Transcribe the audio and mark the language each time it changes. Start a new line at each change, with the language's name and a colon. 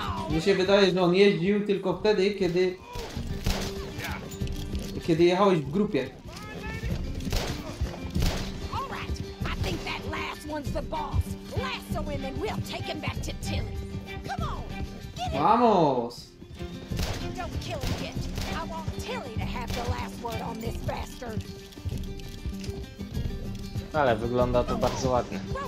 Polish: Mi się wydaje, że on jeździł tylko wtedy, kiedy... Kiedy jechałeś w grupie.
English: All right. I think that last one's the boss. Lasso him and we'll take him back to Tilly. Come on, get him.
Spanish: Vamos.
English: Don't kill him yet. I want Tilly to have the last word on this bastard.
Polish: Ale wygląda to bardzo ładnie.